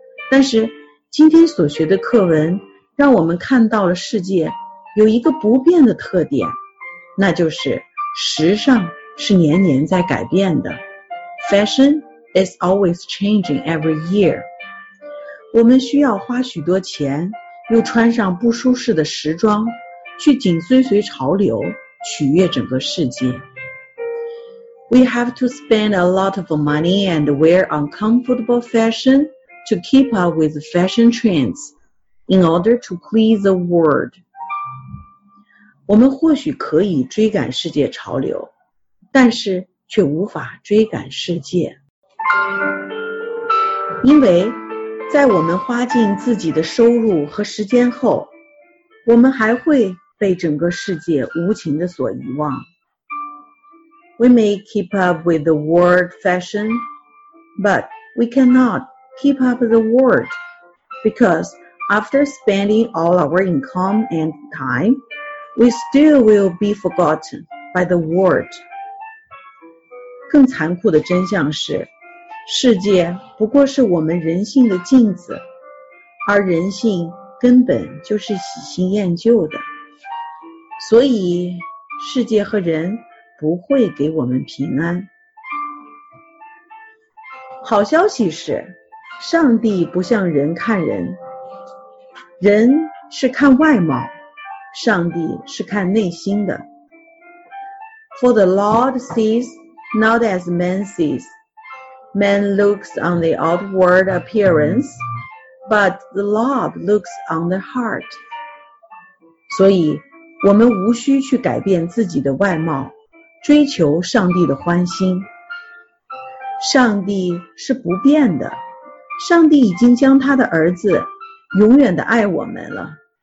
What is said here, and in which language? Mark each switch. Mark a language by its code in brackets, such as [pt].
[zh] 但是今天所学的课文让我们看到了世界有一个不变的特点，那就是时尚是年年在改变的。 [en] Fashion is always changing every year. [zh] 我们需要花许多钱又穿上不舒适的时装去紧追随潮流取悦整个世界。 [en] We have to spend a lot of money and wear uncomfortable fashion to keep up with fashion trends in order to please the world. [zh] 我们或许可以追赶世界潮流，但是却无法追赶世界。因为在我们花尽自己的收入和时间后，我们还会被整个世界无情地所遗忘。 [en] We may keep up with the world fashion, but we cannot keep up with the world because after spending all our income and time,We still will be forgotten by the world. [zh] 更残酷的真相是，世界不过是我们人性的镜子，而人性根本就是喜新厌旧的。所以世界和人不会给我们平安。好消息是，上帝不像人看人，人是看外貌，上帝是看内心的。 [en] For the Lord sees not as man sees. Man looks on the outward appearance, but the Lord looks on the heart. [zh] 所以我们无需去改变自己的外貌，追求上帝的欢心。上帝是不变的，上帝已经将他的儿子永远地爱我们了。